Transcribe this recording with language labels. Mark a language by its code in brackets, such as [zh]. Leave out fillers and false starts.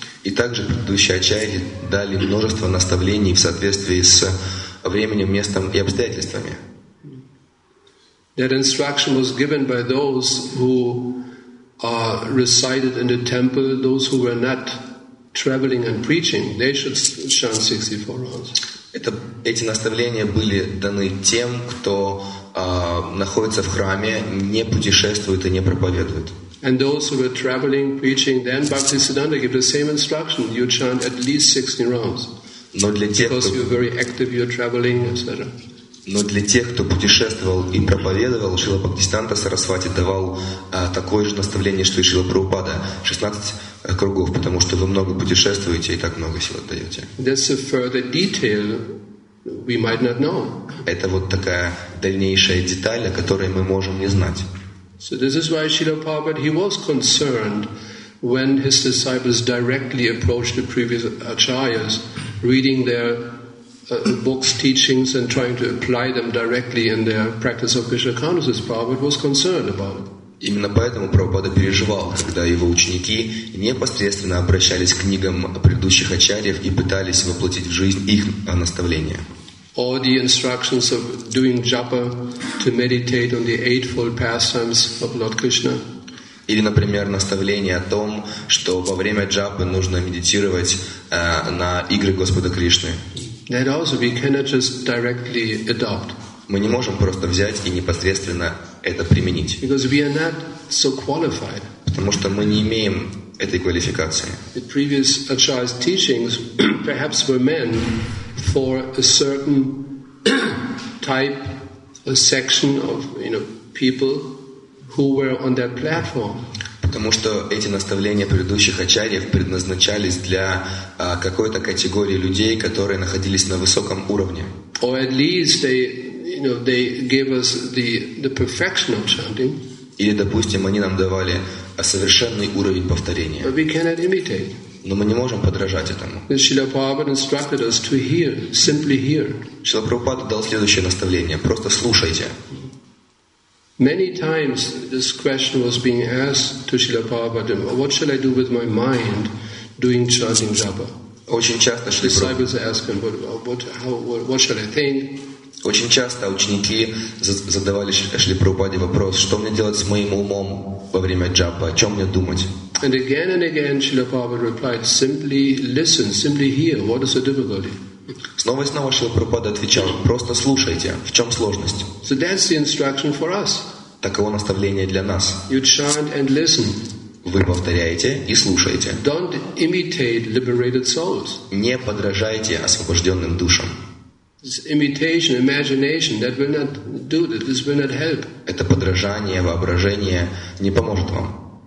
[ru] И также предыдущие ачарьи дали множество наставлений в соответствии с временем, местом и обстоятельствами. [en] That instruction was given by those who recited in the temple, those who were not traveling and preaching, they should chant 64 rounds. [ru] Эти наставления были даны тем, кто находится в храме, не путешествует и не проповедует. [en] And those who were traveling, preaching, then Bhaktisiddhanta gave the same instruction, you chant at least 16 rounds. [ru] Но для тех, [en] because [ru] кто... [en] you're very active, you're traveling, etc. [ru] Но для тех, кто путешествовал и проповедовал, Шрила Бхактисиддханта Сарасвати давал такое же наставление, что и Шрила Прабхупада, 16 кругов, потому что вы много путешествуете и так много сил отдаете. [en] That's a further detail we might not know. [ru] Это вот такая дальнейшая деталь, о которой мы можем не знать. [en] So this is why Srila Prabhupada, he was concerned when his disciples directly approached the previous acharyas, reading their books, teachings, and trying to apply them directly in their practice of Krishna consciousness. Prabhupada was concerned about it. [ru] Именно поэтому Прабхупада переживал, когда его ученики непосредственно обращались к книгам предыдущих ачарьев и пытались воплотить в жизнь их наставления. [en] Or the instructions of doing japa to meditate on the eightfold pastimes of Lord Krishna. [ru] Или, например, наставление о том, что во время джапы нужно медитировать на игры Господа Кришны. [en] That also we cannot just directly adopt. [ru] Мы не можем просто взять и непосредственно это применить. [en] Because we are not so qualified. [ru] Потому что мы не имеем этой квалификации. [en] The previous acharya's teachings perhaps were meant for a certain type, a section of, you know, people who were on that platform. [ru] Потому что эти наставления предыдущих ачарьев предназначались для какой-то категории людей, которые находились на высоком уровне. [en] Or at least they, you know, they gave us the perfection of chanting. [ru] Или, допустим, они нам давали совершенный уровень повторения. [en] But we cannot imitate. [ru] Но мы не можем подражать этому. [en] Srila Prabhupada instructed us to hear, simply hear. [ru] Шрила Прабхупада дал следующее наставление: просто слушайте. [en] Many times this question was being asked to Srila Prabhupada, what shall I do with my mind doing chanting japa? [ru] Очень часто [en] disciples ask him, what shall I think? [ru] Очень часто ученики задавали Шри Прабхупаде вопрос, что мне делать с моим умом во время джапы, о чем мне думать. [en] And again, Srila Prabhupada replied, simply listen, simply hear, what is the difficulty? [ru] Снова и снова Шрила Прабхупада отвечал, просто слушайте, в чем сложность? [en] So that's the instruction for us. [ru] Таково наставление для нас. [en] You chant and listen. [ru] Вы повторяете и слушаете. [en] Don't imitate liberated souls. [ru] Не подражайте освобожденным душам. [en] This imitation, imagination, that will not do that. This will not help. [ru] Это подражание, воображение не поможет вам.